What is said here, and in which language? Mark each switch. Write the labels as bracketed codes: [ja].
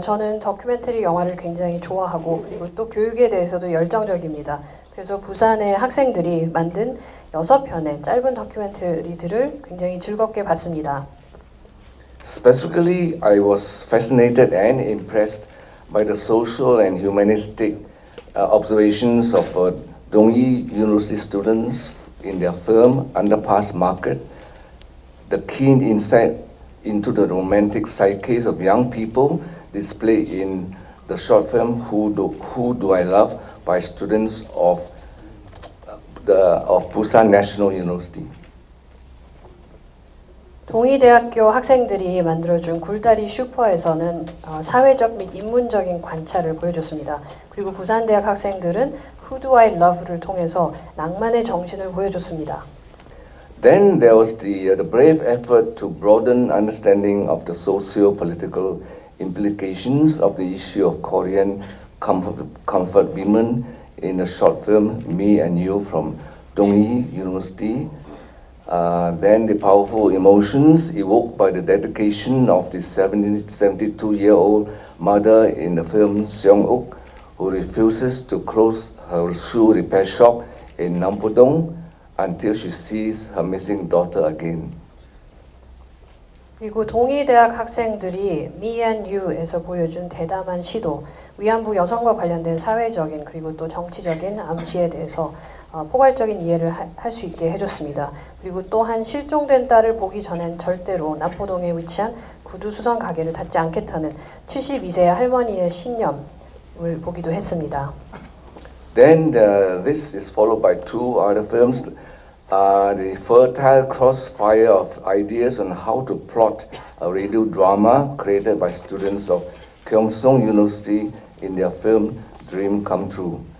[ko] 저는 다큐멘터리 영화를 굉장히 좋아하고 그리고 또 교육에 대해서도 열정적입니다. 그래서 부산의 학생들이 만든 6편의 짧은 다큐멘터리들을 굉장히 즐겁게 봤습니다. [en] Specifically, I was fascinated and impressed by the social and humanistic observations of Dongyi University students in their film Underpass Market, the keen insight into the romantic psyches of young people displayed in the short film Who Do I Love by students of Busan National University. [ko] 동의대학교 학생들이 만들어준 굴다리 슈퍼에서는 사회적 및 인문적인 관찰을 보여줬습니다. 그리고 부산대학 학생들은 Who Do I Love를 통해서 낭만의 정신을 보여줬습니다. [en] Then there was the brave effort to broaden understanding of the socio-political implications of the issue of Korean comfort women in the short film Me and You from Dongyi University. Then the powerful emotions evoked by the dedication of the 72-year-old mother in the film Seong-uk, who refuses to close her shoe repair shop in Nampodong until she sees her missing daughter again. [ko] 그리고 동의대학 학생들이 Me and You에서 보여준 대담한 시도, 위안부 여성과 관련된 사회적인 그리고 또 정치적인 암시에 대해서 포괄적인 이해를 할 수 있게 해줬습니다. 그리고 또한 실종된 딸을 보기 전엔 절대로 나포동에 위치한 구두 수선 가게를 닫지 않겠다는 72세의 할머니의 신념을 보기도 했습니다. [en] Then this is followed by two other films. The fertile crossfire of ideas on how to plot a radio drama created by students of Kyungsung University in their film Dream Come True.